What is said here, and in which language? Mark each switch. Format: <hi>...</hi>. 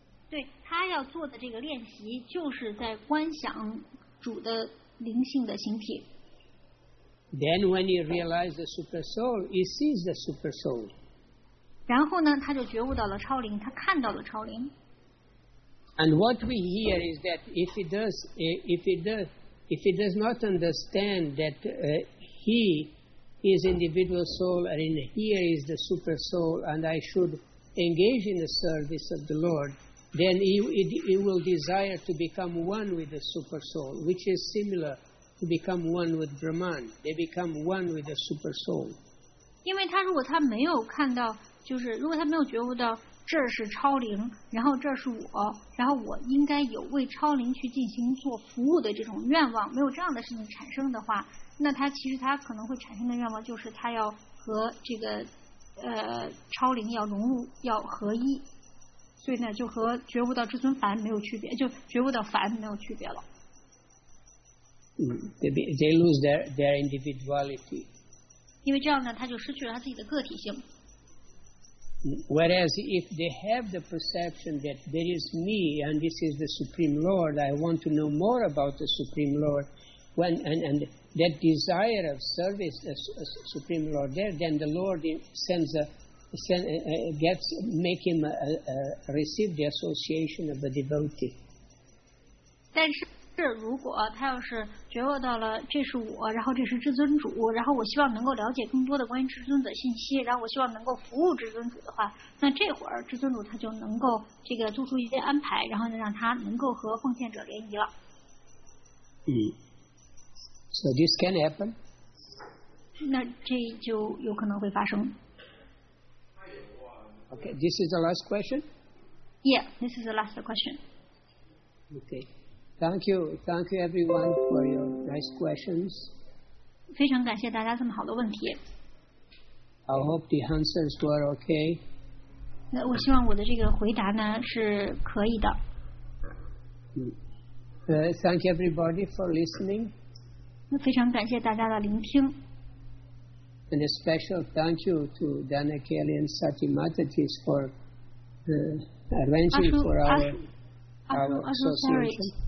<zh>对，他要做的这个练习就是在观想主的灵性的形体。</zh> <en>Then when he realizes the super soul, he sees the super soul.</en> <zh>然后呢，他就觉悟到了超灵，他看到了超灵。</zh> <en>And what we hear is that if he does not understand that he is individual soul and in here is the super soul and I should engage in the service of the Lord, then he will desire to become one with the super soul, which is similar to become one with Brahman. They become one with the super soul.</en> <zh>因为他如果他没有看到，就是如果他没有觉悟到这是超灵，然后这是我，然后我应该有为超灵去进行做服务的这种愿望，没有这样的事情产生的话，那他其实他可能会产生的愿望就是他要和这个超灵要融入，要合一，所以呢就和觉悟到至尊凡没有区别，就觉悟到凡没有区别了。</zh> <en>They lose their individuality.</en> <zh>因为这样呢他就失去了他自己的个体性。</zh> <en>Whereas if they have the perception that there is me and this is the Supreme Lord, I want to know more about the Supreme Lord, and that desire of service as Supreme Lord there, then the Lord receive the association of the devotee.</en> <zh>但是如果他要是觉悟到了这是我，然后这是至尊主，然后我希望能够了解更多的关于至尊的信息，然后我希望能够服务至尊主的话，那这会儿至尊主他就能够这个做出一些安排，然后呢让他能够和奉献者联谊了。</zh> <en>So this can happen.</en> <zh>那这就有可能会发生。</zh> <en>Okay, this is the last question. Yeah, this is the last question. Okay. Thank you everyone for your nice questions.</en> <zh>非常感谢大家这么好的问题。</zh> <en>I hope the answers were okay.</en> <zh>那我希望我的这个回答呢是可以的。</zh> <en>Thank you everybody for listening.</en> <zh>那非常感谢大家的聆听。</zh> <en>And a special thank you to Danakeli and Sati Mataji for arranging for our association.</en>